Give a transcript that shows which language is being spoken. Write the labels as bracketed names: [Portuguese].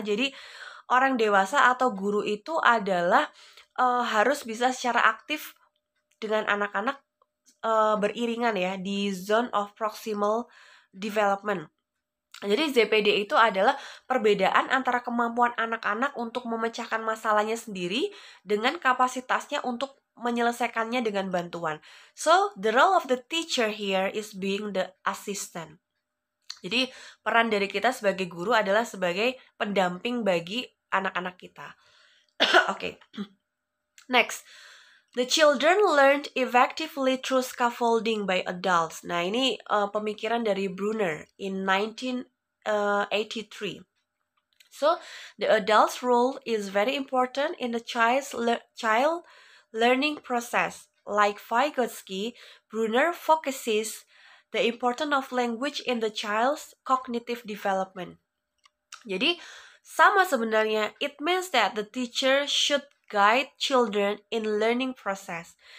[Indonesian] Jadi orang dewasa atau guru itu adalah harus bisa secara aktif dengan anak-anak beriringan ya di Zone of Proximal Development. Jadi ZPD itu adalah perbedaan antara kemampuan anak-anak untuk memecahkan masalahnya sendiri dengan kapasitasnya untuk menyelesaikannya dengan bantuan. [English] So, the role of the teacher here is being the assistant. [Indonesian] Jadi, peran dari kita sebagai guru adalah sebagai pendamping bagi anak-anak kita. [English] Oke. Next. The children learned effectively through scaffolding by adults. [Indonesian] Nah, ini pemikiran dari Brunner in 1983. [English] So, the adult's role is very important in the child learning process. Like Vygotsky, Brunner focuses the importance of language in the child's cognitive development. [Indonesian] Jadi, sama sebenarnya, [English] it means that the teacher should guide children in learning process.